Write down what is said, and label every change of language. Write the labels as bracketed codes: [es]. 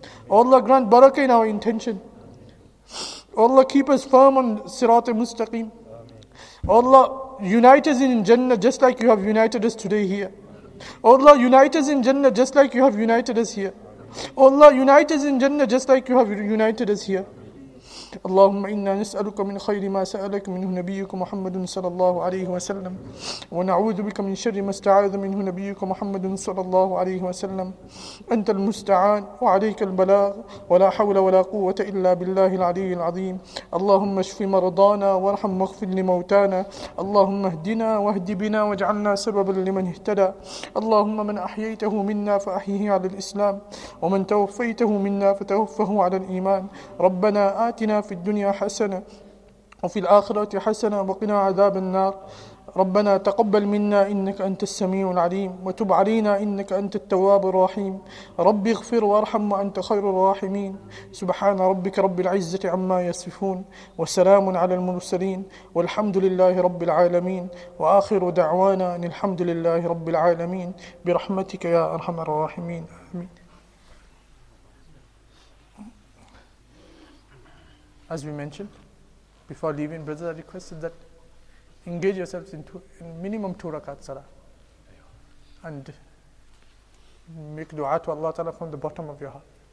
[en] Oh Allah grant barakah in our intention. Oh Allah keep us firm on sirat mustaqim. Oh Allah unite us in Jannah just like you have united us today here. Oh Allah unite us in Jannah just like you have united us here. Oh Allah unite us in Jannah just like you have united us here. [ar] اللهم إنا نسألك من خير ما سألك منه نبيك محمد صلى الله عليه وسلم ونعوذ بك من شر ما استعاذ منه نبيك محمد صلى الله عليه وسلم أنت المستعان وعليك البلاغ ولا حول ولا قوة إلا بالله العلي العظيم اللهم اشف مرضانا وارحم واغفر لموتانا اللهم اهدنا واهد بنا واجعلنا سببا لمن اهتدى اللهم من أحييته منا فأحيه على الإسلام ومن توفيته منا فتوفه على الإيمان ربنا آتنا في الدنيا حسنة وفي الآخرة حسنة وقنا عذاب النار ربنا تقبل منا إنك أنت السميع العليم وتب علينا إنك أنت التواب الرحيم ربي اغفر وارحم وأنت خير الراحمين سبحان ربك رب العزة عما يصفون وسلام على المرسلين والحمد لله رب العالمين وآخر دعوانا أن الحمد لله رب العالمين برحمتك يا أرحم الراحمين آمين. [en] As we mentioned, before leaving, brothers are requested that engage yourselves in minimum 2 rakat salah and make dua to Allah Ta'ala from the bottom of your heart.